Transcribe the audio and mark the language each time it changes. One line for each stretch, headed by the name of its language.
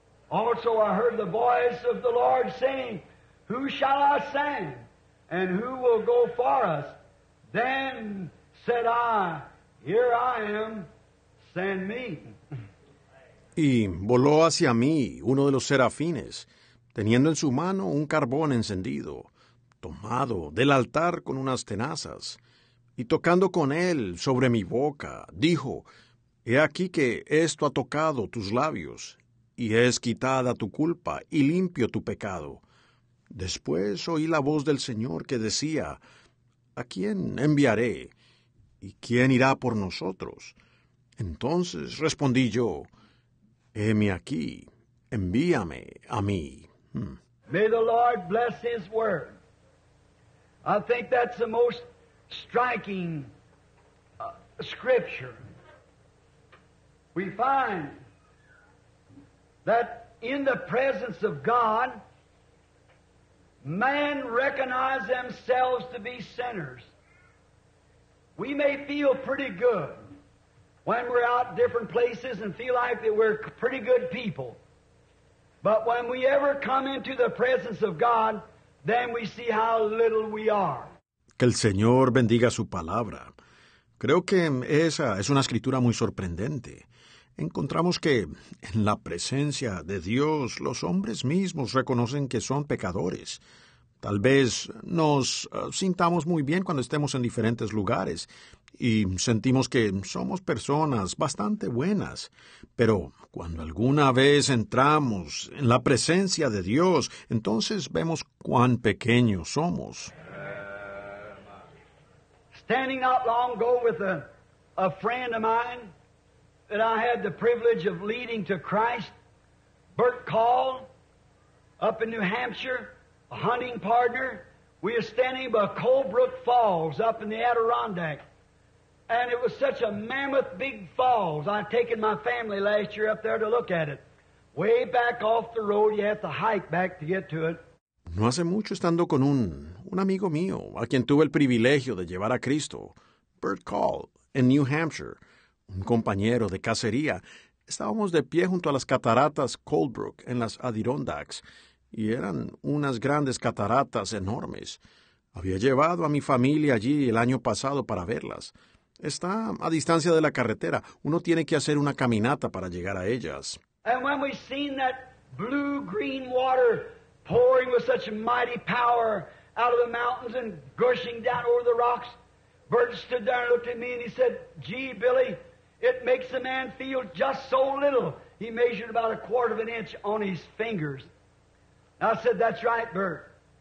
English: Also I heard the voice of the Lord saying, Who shall I send, and who will go for us? Then said I, Here I am, send me.
Spanish: Y voló hacia mí uno de los serafines, teniendo en su mano un carbón encendido, tomado del altar con unas tenazas, y tocando con él sobre mi boca, dijo, He aquí que esto ha tocado tus labios, y es quitada tu culpa, y limpio tu pecado. Después oí la voz del Señor que decía, ¿A quién enviaré? ¿Y quién irá por nosotros? Entonces respondí yo, Heme aquí, envíame a mí.
English: May the Lord bless His word. I think that's the most striking scripture. We find that in the presence of God, Man recognize themselves to be sinners. We may feel pretty good when we're out different places and feel like that we're pretty good people. But when we ever come into the presence of God, then we see how little we are.
Spanish: Que el Señor bendiga su palabra. Creo que esa es una escritura muy sorprendente. Encontramos que en la presencia de Dios, los hombres mismos reconocen que son pecadores. Tal vez nos sintamos muy bien cuando estemos en diferentes lugares y sentimos que somos personas bastante buenas. Pero cuando alguna vez entramos en la presencia de Dios, entonces vemos cuán pequeños somos.
English: Standing not long ago with a friend of mine that I had the privilege of leading to Christ, Bert Call, up in New Hampshire, a hunting partner. We were standing by Colebrook Falls up in the Adirondack, and it was such a mammoth big falls. I'd taken my family last year up there to look at it. Way back off the road, you have to hike back to get to it.
Spanish: No hace mucho, estando con un amigo mío, a quien tuve el privilegio de llevar a Cristo, Bert Call, en New Hampshire, un compañero de cacería, estábamos de pie junto a las cataratas Colebrook en las Adirondacks, y eran unas grandes cataratas enormes. Había llevado a mi familia allí el año pasado para verlas. Está a distancia de la carretera. Uno tiene que hacer una caminata para llegar a ellas.
English: And when we seen that blue-green water pouring with such mighty power out of the mountains and gushing down over the rocks. Burton stood there and looked at me and he said, "Gee, Billy, it makes a man feel just so little." He measured about a quarter of an inch on his fingers. And I said, "That's right, Bert."